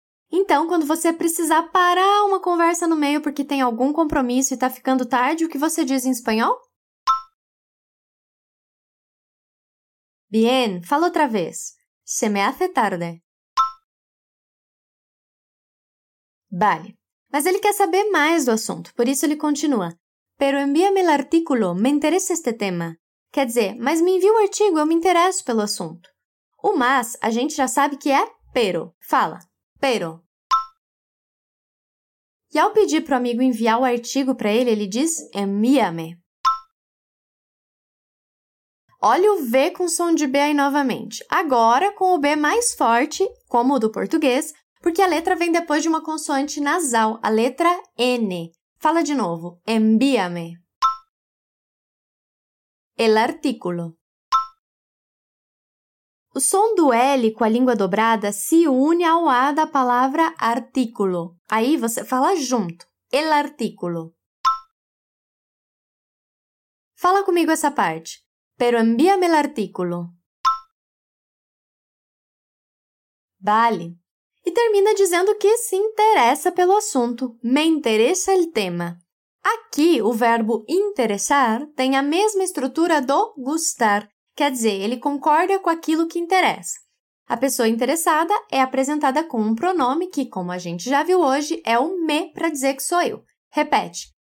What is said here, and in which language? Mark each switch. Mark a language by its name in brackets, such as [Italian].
[Portuguese] Então, quando você precisar parar uma conversa no meio porque tem algum compromisso e está ficando tarde, o que você diz em espanhol? [Spanish] Bien, [Portuguese] fala outra vez. [Spanish] Se me hace tarde. [Portuguese] Vale. Mas ele quer saber mais do assunto, por isso ele continua. [Spanish] Pero envíame el artículo, me interesa este tema. [Portuguese] Quer dizer, mas me envia o artigo, eu me interesso pelo assunto. O mas, a gente já sabe que é pero. Fala, pero. E ao pedir para o amigo enviar o artigo para ele, ele diz envíame. Olha o V com som de B aí novamente. Agora, com o B mais forte, como o do português, porque a letra vem depois de uma consoante nasal, a letra N. Fala de novo. Envíame. [Spanish] El artículo. [Portuguese] O som do L com a língua dobrada se une ao A da palavra artículo. Aí você fala junto. [Spanish] El artículo. [Portuguese] Fala comigo essa parte. [Spanish] Pero envíame el artículo. Vale. [Portuguese] E termina dizendo que se interessa pelo assunto. [Spanish] Me interessa el tema. [Portuguese] Aqui, o verbo interessar tem a mesma estrutura do gustar. Quer dizer, ele concorda com aquilo que interessa. A pessoa interessada é apresentada com um pronome que, como a gente já viu hoje, é o me para dizer que sou eu. Repete.